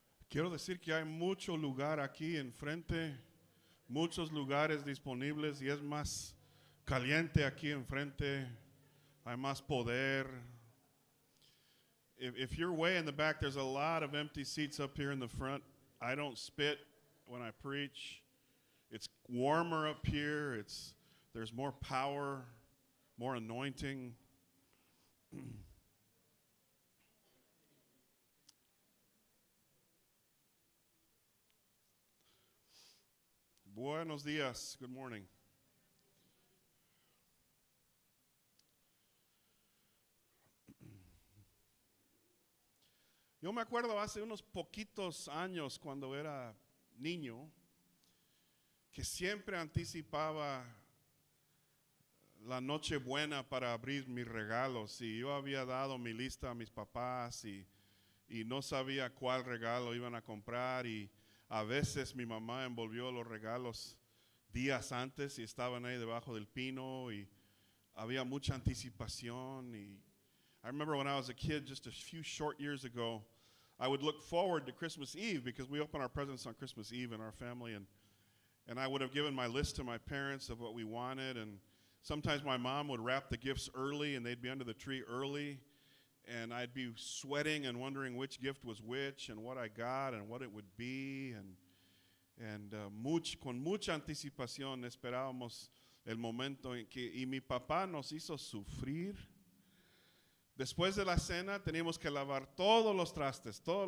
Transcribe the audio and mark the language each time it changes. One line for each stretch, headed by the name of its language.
Spanish: Quiero decir que hay mucho lugar aquí enfrente, muchos lugares disponibles y es más caliente aquí enfrente, hay más poder.
English: If you're way in the back, there's a lot of empty seats up here in the front. I don't spit when I preach. It's warmer up here, there's more power, more anointing.
Spanish: Buenos días.
English: Good morning.
Spanish: Yo me acuerdo hace unos poquitos años cuando era niño que siempre anticipaba la noche buena para abrir mis regalos y yo había dado mi lista a mis papás y no sabía cuál regalo iban a comprar y a veces mi mamá envolvió los regalos días antes y estaban ahí debajo del pino y había mucha anticipación.
English: Y I remember when I was a kid, just a few short years ago, I would look forward to Christmas Eve because we open our presents on Christmas Eve in our family. And I would have given my list to my parents of what we wanted. And sometimes my mom would wrap the gifts early and they'd be under the tree early. And I'd be sweating and wondering which gift was which and what I got and what it would be.
Spanish: Con mucha anticipación esperábamos el momento en que, y mi papá nos hizo sufrir. Después de la cena teníamos que lavar todos los trastes.